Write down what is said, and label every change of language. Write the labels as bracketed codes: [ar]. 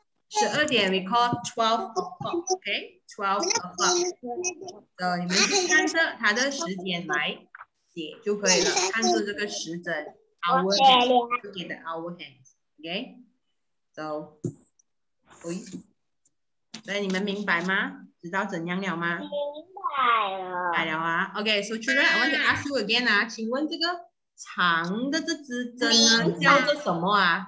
[zh] 十二点 ， [en] we call 12 o'clock， [zh] 你们就看着它的时间来写就可以了，看着这个时针 ， [en] hour hand， [zh] 给的 hour hand，OK， so， 喂，所以你们明白吗？知道怎样了吗？明白了。明白了啊 [en] ，OK， so children， I want to ask you again 啊， [zh] 请问这个。长的这支针呢，叫做什么啊？